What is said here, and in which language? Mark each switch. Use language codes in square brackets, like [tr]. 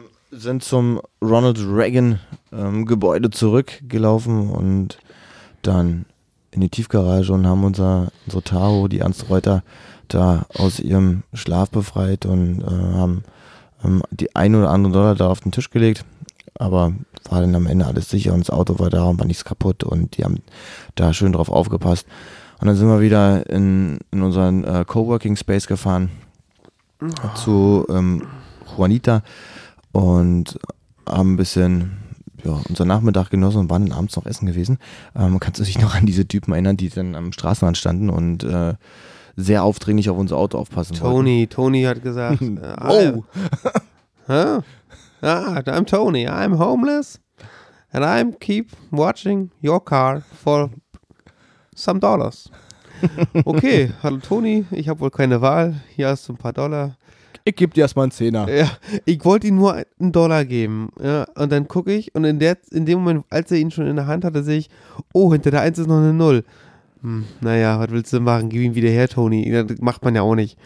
[de] Sind zum Ronald Reagan Gebäude zurückgelaufen und dann in die Tiefgarage und haben unsere Taro, die Ernst Reuter, da aus ihrem Schlaf befreit und haben die ein oder andere Dollar da auf den Tisch gelegt, aber war dann am Ende alles sicher und das Auto war da und war nichts kaputt und die haben da schön drauf aufgepasst und dann sind wir wieder in unseren Coworking Space gefahren zu Juanita. Und haben ein bisschen unseren Nachmittag genossen und waren dann abends noch essen gewesen. Kannst du dich noch an diese Typen erinnern, die dann am Straßenrand standen und sehr aufdringlich auf unser Auto aufpassen Tony, wollten? Tony hat gesagt, [en] I'm Tony, I'm homeless and I keep watching your car for some dollars. [de] Okay, hallo Tony, ich habe wohl keine Wahl, hier hast du ein paar Dollar. Ich gebe dir erstmal einen Zehner. Ja, ich wollte ihm nur einen Dollar geben. Ja, und dann gucke ich und in dem Moment, als er ihn schon in der Hand hatte, sehe ich, oh, hinter der Eins ist noch eine Null. Naja, was willst du machen? Gib ihn wieder her, Toni. Das macht man ja auch nicht.